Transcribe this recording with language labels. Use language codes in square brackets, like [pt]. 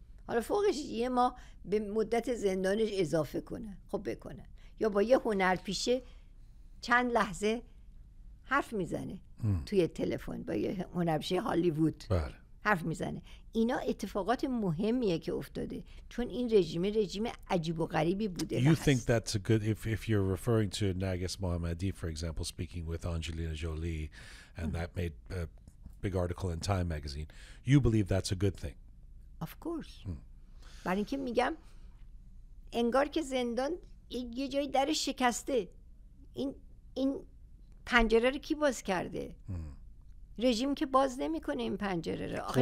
[fa] حالا فوقش یه ما به مدت زندانش اضافه کنه، خب بکنه، یا با یه هنرپیشه چند لحظه حرف میزنه توی تلفن، با یه هنرپیشه هالیوود حرف میزنه. اینا اتفاقات مهمیه که افتاده، چون این رژیم عجیب و غریبی بوده. [en] You think that's a good, if you're referring to Nargis Mohammadi, for example, speaking with Angelina Jolie, and that made a big article in Time magazine, you believe that's a good thing? Of course. [fa] برای اینکه میگم انگار که زندان یه جای در شکسته، این پنجره رو کی باز کرده؟ رژیم که باز نمیکنه این پنجره رو.